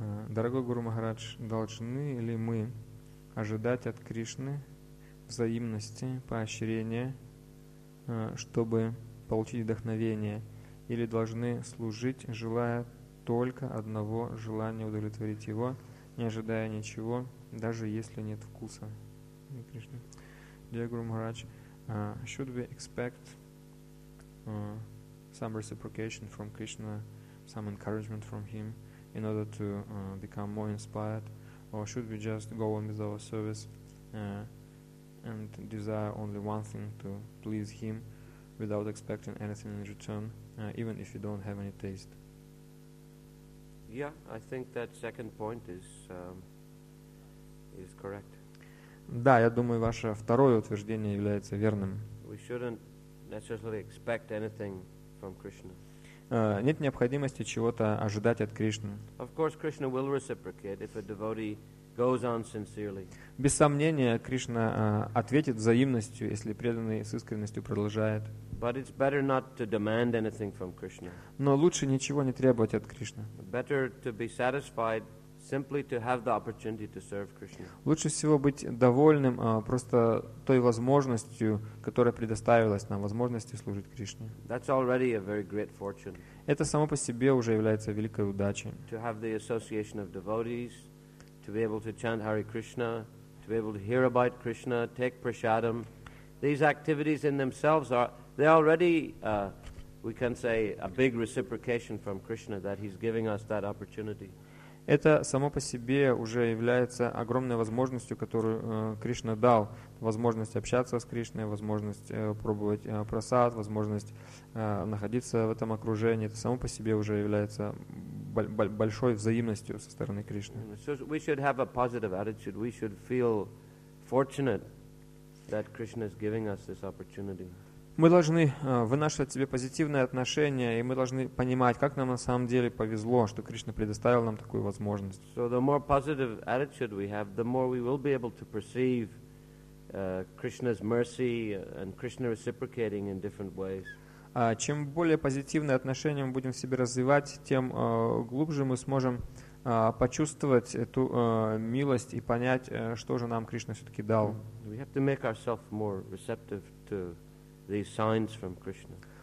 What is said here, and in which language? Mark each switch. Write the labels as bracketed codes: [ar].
[ru] Дорогой Гуру Махарадж, должны ли мы ожидать от Кришны взаимности, поощрения, чтобы получить вдохновение, или должны служить, желая только одного желания удовлетворить его, не ожидая ничего, даже если нет вкуса. Дорогой Гуру Махарадж, [en] should we expect some reciprocation from Krishna, some encouragement from him in order to become more inspired, or should we just go on with our service and desire only one thing, to please him without expecting anything in return, even if you don't have any taste? Yeah, I think that second point is correct. [ru] Да, я думаю, ваше второе утверждение является верным. [en] We shouldn't necessarily expect anything from Krishna. [ru] Нет необходимости чего-то ожидать от Кришны. [en] Of course, Krishna will reciprocate if a devotee goes on sincerely. [ru] Без сомнения, Кришна ответит взаимностью, если преданный с искренностью продолжает. [en] But it's better not to demand anything from Krishna. [ru] Но лучше ничего не требовать от Кришны. [en] Better to be satisfied simply to have the opportunity to serve Krishna. [ru] Лучше всего быть довольным просто той возможностью, которая предоставилась нам, возможности служить Кришне. [en] That's already a very great fortune. [ru] Это само по себе уже является великой удачей. [en] To have the association of devotees, to be able to chant Hare Krishna, to be able to hear about Krishna, take prasadam. These activities in themselves are, they're already, we can say, a big reciprocation from Krishna that he's giving us that opportunity. [ru] Это само по себе уже является огромной возможностью, которую Кришна дал. Возможность общаться с Кришной, возможность пробовать прасад, возможность находиться в этом окружении. Это само по себе уже является большой взаимностью со стороны Кришны. [en] So we should have a positive attitude. We should feel fortunate that Krishna is giving us this opportunity. [ru] Мы должны вынашивать себе позитивное отношение, и мы должны понимать, как нам на самом деле повезло, что Кришна предоставил нам такую возможность. [en] So the more positive attitude we have, the more we will be able to perceive Krishna's mercy and Krishna reciprocating in different ways. [ru] Чем более позитивное отношение мы будем в себе развивать, тем глубже мы сможем почувствовать эту милость и понять, что же нам Кришна все-таки дал. [en] We have to make ourselves more receptive to these signs from Krishna.